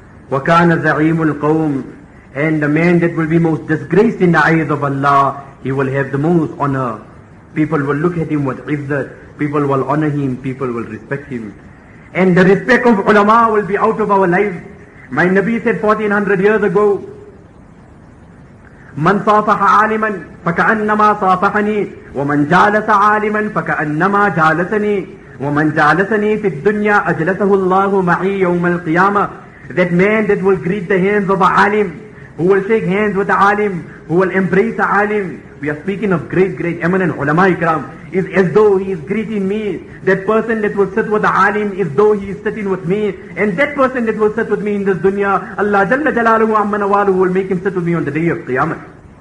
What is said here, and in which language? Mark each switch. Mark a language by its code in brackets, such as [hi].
[ar] وَكَانَ زَعِيمُ الْقَوْمِ. [en] And the man that will be most disgraced in the eyes of Allah, he will have the most honor. People will look at him with izzat. People will honor him. People will respect him. And the respect of ulama will be out of our lives. My Nabi said 1400 years ago, [ar] مَنْ صَافَحَ عَالِمًا فَكَأَنَّمَا صَافَحَنِي وَمَنْ جَالَسَ عَالِمًا فَكَأَنَّمَا جَالَسَنِي وَمَنْ جَالَسَنِي فِي الدُّنْيَا أَجْلَسَهُ اللَّهُ مَعِي يَوْمَ الْقِيَامَةِ. [en] That man that will greet the hands of a alim, who will shake hands with the alim, who will embrace the alim. We are speaking of great, great, eminent ulama-i-kiram. It's as though he is greeting me. That person that will sit with the alim is though he is sitting with me. And that person that will sit with me in this dunya, Allah Jalla Jalaluhu Amma Nawalu will make him sit with me on the day of Qiyamah.